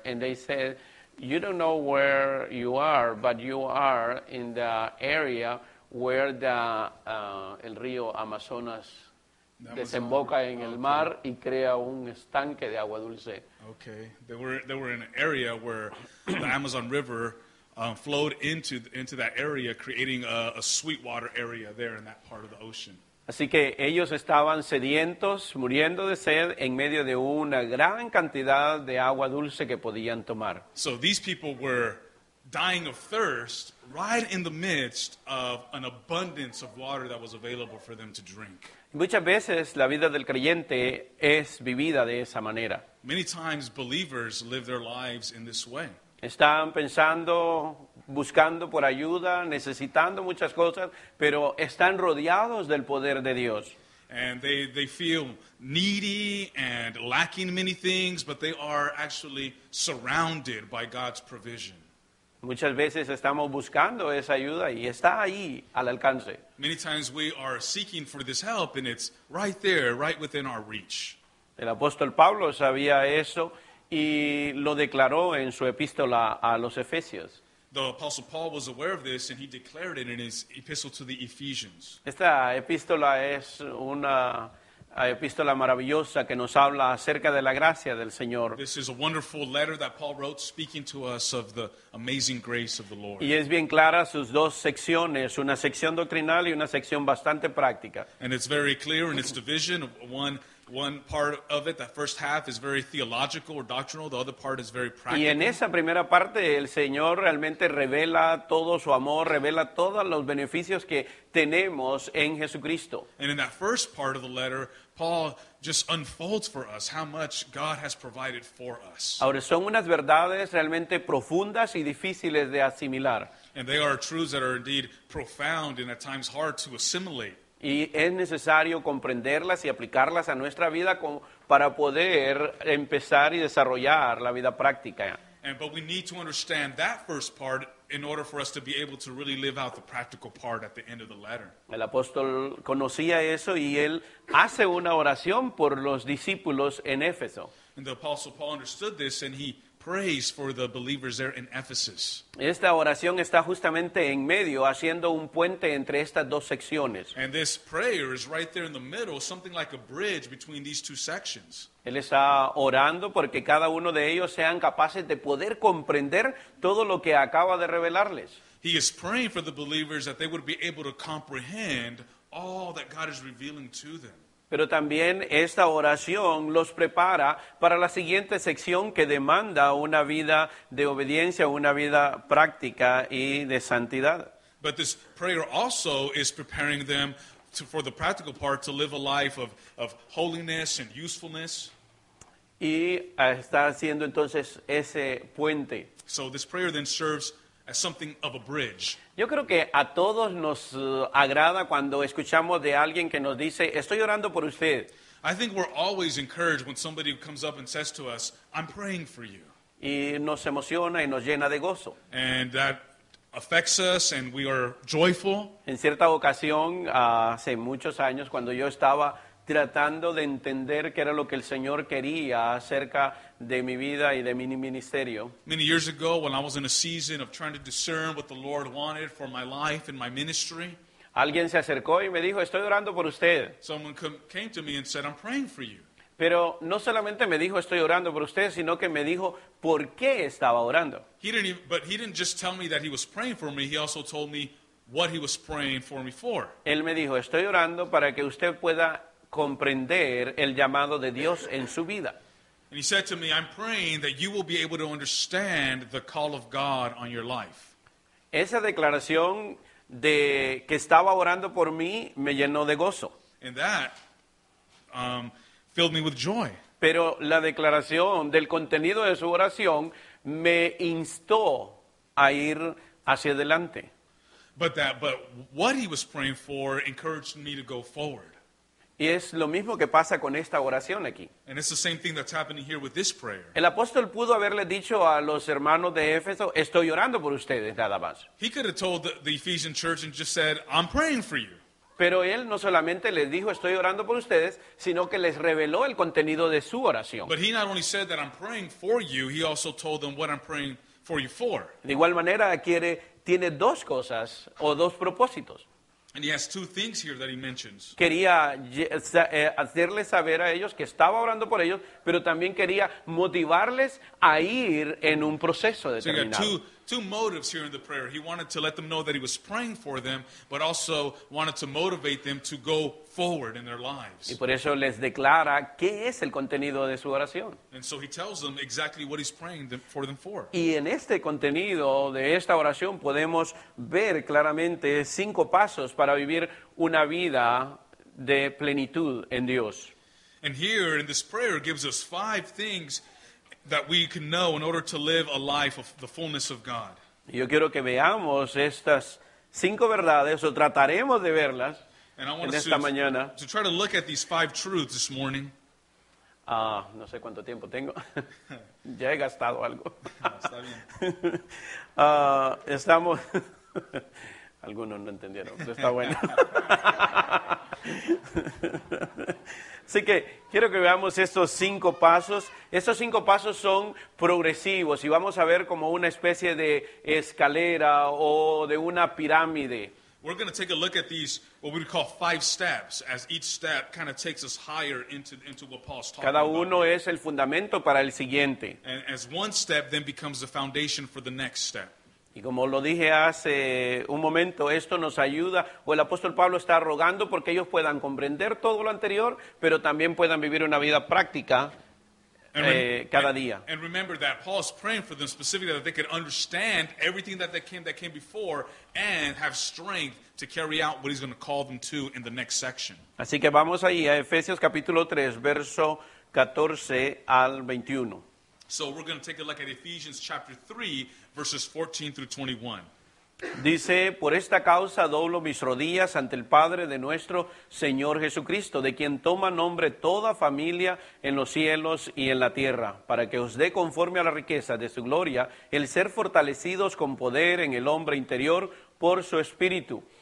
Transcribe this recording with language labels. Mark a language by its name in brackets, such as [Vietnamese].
[English] And they said, "You don't know where you are, but you are in the area where the [Spanish] el río Amazonas desemboca en el mar y crea un estanque de agua dulce." [English] Okay, they were in an area where the Amazon River flowed into that area, creating a sweet water area there in that part of the ocean. [Spanish] Así que ellos estaban sedientos, muriendo de sed en medio de una gran cantidad de agua dulce que podían tomar. [English] So these people were dying of thirst right in the midst of an abundance of water that was available for them to drink. [Spanish] Muchas veces la vida del creyente es vivida de esa manera. [English] Many times believers live their lives in this way. [Spanish] Están pensando, buscando por ayuda, necesitando muchas cosas, pero están rodeados del poder de Dios. [English] And they feel needy and lacking many things, but they are actually surrounded by God's provision. [Spanish] Muchas veces estamos buscando esa ayuda y está ahí al alcance. [English] Many times we are seeking for this help and it's right there, right within our reach. [Spanish] El apóstol Pablo sabía eso y lo declaró en su epístola a los Efesios. [English] The apostle Paul was aware of this and he declared it in his epistle to the Ephesians. [Spanish] Esta epístola es una epístola maravillosa que nos habla acerca de la gracia del Señor. [English] This is a wonderful letter that Paul wrote speaking to us of the amazing grace of the Lord. [Spanish] Y es bien clara sus dos secciones, una sección doctrinal y una sección bastante práctica. [English] And it's very clear in its division. One part of it, that first half, is very theological or doctrinal. The other part is very practical. [Spanish] Y en esa primera parte, el Señor realmente revela todo su amor, revela todos los beneficios que tenemos en Jesucristo. [English] And in that first part of the letter, Paul just unfolds for us how much God has provided for us. [Spanish] Ahora, son unas verdades realmente profundas y difíciles de asimilar. [English] And they are truths that are indeed profound and at times hard to assimilate. [Spanish] Y es necesario comprenderlas y aplicarlas a nuestra vida como para poder empezar y desarrollar la vida práctica. [English] But we need to understand that first part in order for us to be able to really live out the practical part at the end of the letter. [Spanish] El apóstol conocía eso y él hace una oración por los discípulos en Éfeso. [English] And the apostle Paul understood this and he prays for the believers there in Ephesus. [Spanish] Esta oración está justamente en medio, haciendo un puente entre estas dos secciones. [English] And this prayer is right there in the middle, something like a bridge between these two sections. [Spanish] Él está orando porque cada uno de ellos sean capaces de poder comprender todo lo que acaba de revelarles. [English] He is praying for the believers that they would be able to comprehend all that God is revealing to them. [Spanish] Pero también esta oración los prepara para la siguiente sección que demanda una vida de obediencia, una vida práctica y de santidad. [English] But this prayer also is preparing them to, for the practical part, to live a life of holiness and usefulness. [Spanish] Y está haciendo entonces ese puente. [English] So this prayer then serves as something of a bridge. [Spanish] Yo creo que a todos nos agrada cuando escuchamos de alguien que nos dice, estoy orando por usted. [English] I think we're always encouraged when somebody comes up and says to us, I'm praying for you. [Spanish] Y nos emociona y nos llena de gozo. [English] And that affects us and we are joyful. [Spanish] En cierta ocasión, hace muchos años, cuando yo estaba tratando de entender qué era lo que el Señor quería acerca de mi vida y de mi ministerio. [English] Many years ago, when I was in a season of trying to discern what the Lord wanted for my life and my ministry, [Spanish] alguien se acercó y me dijo, estoy orando por usted. [English] Someone came to me and said, I'm praying for you. [Spanish] Pero no solamente me dijo, estoy orando por usted, sino que me dijo, ¿por qué estaba orando? [English] But he didn't just tell me that he was praying for me, he also told me what he was praying for me for. [Spanish] Él me dijo, estoy orando para que usted pueda comprender el llamado de Dios en su vida. [English] And he said to me, I'm praying that you will be able to understand the call of God on your life. [Spanish] Esa declaración de que estaba orando por mí me llenó de gozo. [English] And that filled me with joy. [Spanish] Pero la declaración del contenido de su oración me instó a ir hacia adelante. [English] But what he was praying for encouraged me to go forward. [Spanish] Y es lo mismo que pasa con esta oración aquí. [English] And it's the same thing that's happening here with this prayer. [Spanish] El apóstol pudo haberle dicho a los hermanos de Éfeso, estoy orando por ustedes, nada más. [English] He could have told the Ephesian church and just said, I'm praying for you. [Spanish] Pero él no solamente les dijo, estoy orando por ustedes, sino que les reveló el contenido de su oración. [English] But he not only said that I'm praying for you, he also told them what I'm praying for you for. [Spanish] De igual manera, tiene dos cosas o dos propósitos. [English] And he has two things here that he mentions. [Spanish] Quería hacerles saber a ellos que estaba orando por ellos, pero también quería motivarles a ir en un proceso determinado. [English] So he got two motives here in the prayer. He wanted to let them know that he was praying for them, but also wanted to motivate them to go forward in their lives. [Spanish] Y por eso les declara qué es el contenido de su oración. [English] And so he tells them exactly what he's praying for them for. [Spanish] Y en este contenido de esta oración podemos ver claramente cinco pasos para vivir una vida de plenitud en Dios. [English] And here in this prayer gives us five things that we can know in order to live a life of the fullness of God. [Spanish] Yo quiero que veamos estas cinco verdades, o trataremos de verlas en esta mañana. [English] To try to look at these five truths this morning. [Spanish] No sé cuánto tiempo tengo. Ya he gastado algo. No, está bien. Estamos... Algunos no entendieron, pero está bueno. Así que quiero que veamos estos cinco pasos. Estos cinco pasos son progresivos y vamos a ver como una especie de escalera o de una pirámide. [English] We're going to take a look at these, what we would call five steps, as each step kind of takes us higher into what Paul's talking about. [Spanish] Cada uno es el fundamento para el siguiente. [English] And as one step then becomes the foundation for the next step. [Spanish] Y como lo dije hace un momento, esto nos ayuda, o el apóstol Pablo está rogando porque ellos puedan comprender todo lo anterior, pero también puedan vivir una vida práctica cada día. [English] And remember that Paul is praying for them specifically that they could understand everything that came before and have strength to carry out what he's going to call them to in the next section. [Spanish] Así que vamos ahí a Efesios capítulo 3, verso 14 al 21. [English] So we're going to take a look at Ephesians chapter 3, verses 14 through 21. [Spanish] Dice, por esta causa doblo mis rodillas ante el Padre de nuestro Señor Jesucristo, de quien toma nombre toda familia en los cielos y en la tierra, para que os dé conforme a la riqueza de su gloria el ser fortalecidos con poder en el hombre interior por su Espíritu,